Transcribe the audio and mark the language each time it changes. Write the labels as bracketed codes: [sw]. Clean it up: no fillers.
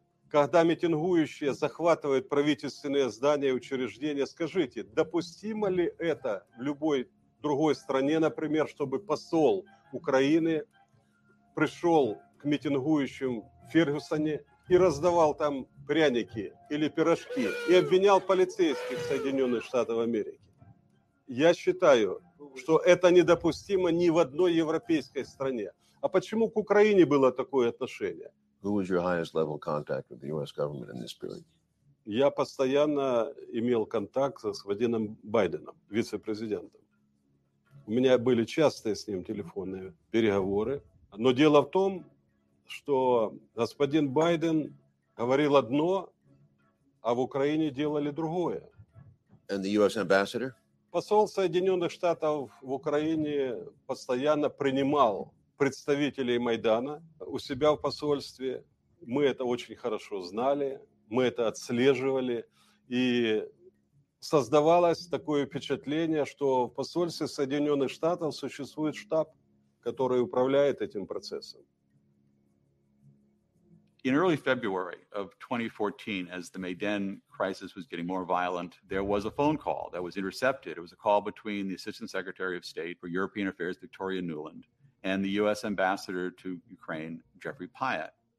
[ru] Когда митингующие захватывают правительственные здания и учреждения, скажите, допустимо ли это в любой другой стране, например, чтобы посол Украины пришел к митингующим в Фергюсоне и раздавал там пряники или пирожки, и обвинял полицейских Соединенных Штатов Америки. Я считаю, что это недопустимо ни в одной европейской стране. А почему к Украине было такое отношение? [en] Who was your highest level contact with the U.S. government in this period? [ru] Я постоянно имел контакт с господином Байденом, вице-президентом. У меня были частые с ним телефонные переговоры. Но дело в том, что господин Байден говорил одно, а в Украине делали другое. [en] And the U.S. ambassador? [ru] Посол Соединенных Штатов в Украине постоянно принимал представителей Майдана у себя в посольстве. Мы это очень хорошо знали, мы это отслеживали. И создавалось такое впечатление, что в посольстве Соединенных Штатов существует штаб, который управляет этим процессом. [en] In early February of 2014, as the Maidan crisis was getting more violent, there was a phone call that was intercepted. It was a call between the Assistant Secretary of State for European Affairs, Victoria Nuland, and the U.S. Ambassador to Ukraine, Jeffrey Pyatt.